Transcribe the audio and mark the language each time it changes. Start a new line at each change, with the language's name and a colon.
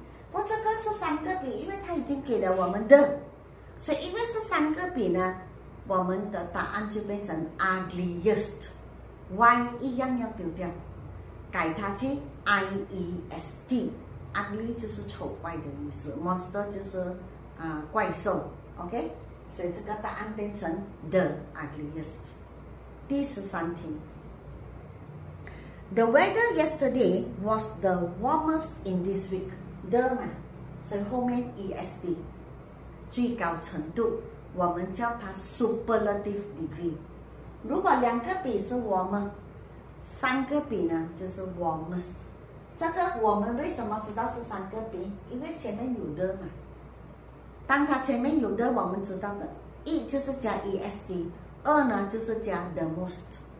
Chinese: 不过这个是三个笔，因为它已经给了我们的，所以因为是三个笔呢，我们的答案就变成 ugliest， y 一样要丢掉，改它去 iest， ugly 就是丑怪的意思， monster 就是、怪兽。 OK， 所以这个答案变成 the ugliest。第十三题，
English: The weather yesterday was the warmest in this week， the
Chinese: 嘛，所以后面
English: est
Chinese: 最高程度，我们叫它 superlative degree。如果两个比是 warm， 三个比呢就是 warmest。这个我们为什么知道是三个比？因为前面有的嘛，当它前面有的，我们知道的一就是加 est， 二呢就是加 the most。